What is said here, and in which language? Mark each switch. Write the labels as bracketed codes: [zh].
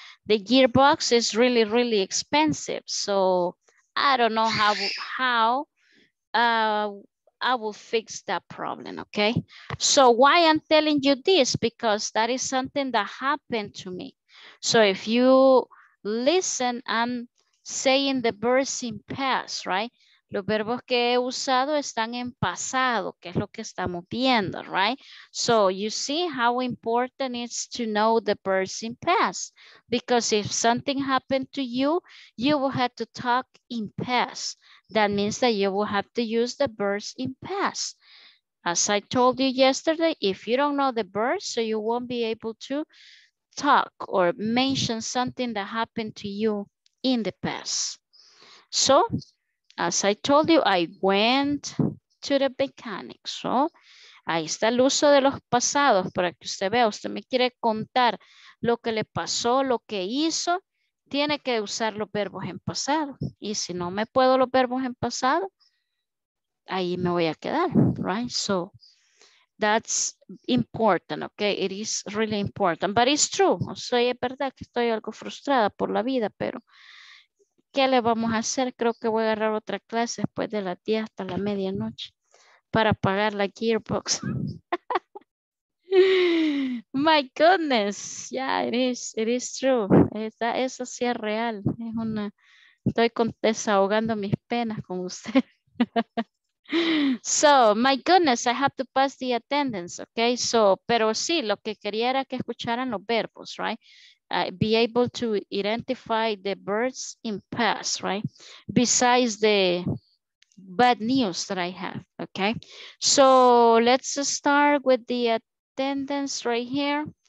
[en] The gearbox is really, really expensive. So I don't know how I will fix that problem, okay? So why I'm telling you this? Because that is something that happened to me. So if you listen, I'm saying the verbs in past, right? [es] Los verbos que he usado están en pasado, que es lo que estamos viendo, [en] right? So you see how important it is to know the verbs in past. Because if something happened to you, you will have to talk in past. That means that you will have to use the verbs in past. As I told you yesterday, if you don't know the verbs, so you won't be able to talk or mention something that happened to you in the past. So, as I told you, I went to the mechanic. [es] So, ahí está el uso de los pasados para que usted vea. Usted me quiere contar lo que le pasó, lo que hizo. Tiene que usar los verbos en pasado. Y si no me puedo los verbos en pasado, ahí me voy a quedar, [en] right? So, that's important, okay? It is really important, but it's true. [es] O sea, es verdad que estoy algo frustrada por la vida, pero ¿qué le vamos a hacer? Creo que voy a agarrar otra clase después de las 10 hasta la medianoche para pagar la gearbox. [en] My goodness, yeah, it is true. [es] Eso sí es real. Es una, estoy desahogando mis penas con usted. [en] So, my goodness, I have to pass the attendance, okay? [es] So, pero sí, lo que quería era que escucharan los verbos, [en] right? Be able to identify the verbs in past, right? Besides the bad news that I have, okay? So, let's start with the attendance right here.